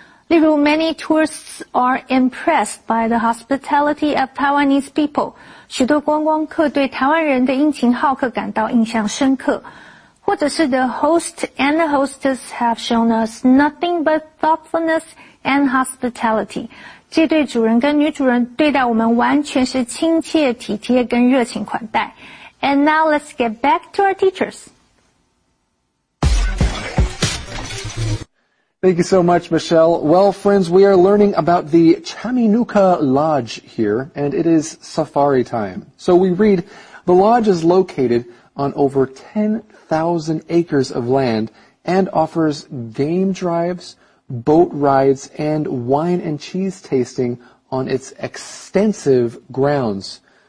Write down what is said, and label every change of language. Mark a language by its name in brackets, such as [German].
[Chinese] 例如 [English] many tourists are impressed by the hospitality of Taiwanese people， [Chinese] 许多观光客对台湾人的殷勤好客感到印象深刻。或者是 [English] the host and the hostess have shown us nothing but thoughtfulness and hospitality. [Chinese] 这对主人跟女主人对待我们完全是亲切体贴跟热情款待。 [English] And now let's get back to our teachers. Thank you so much, Michelle. Well, friends, we are learning about the Chaminuka Lodge here, and it is safari time. So we read, the lodge is located on over 10,000 acres of land and offers game drives, boat rides, and wine and cheese tasting on its extensive grounds.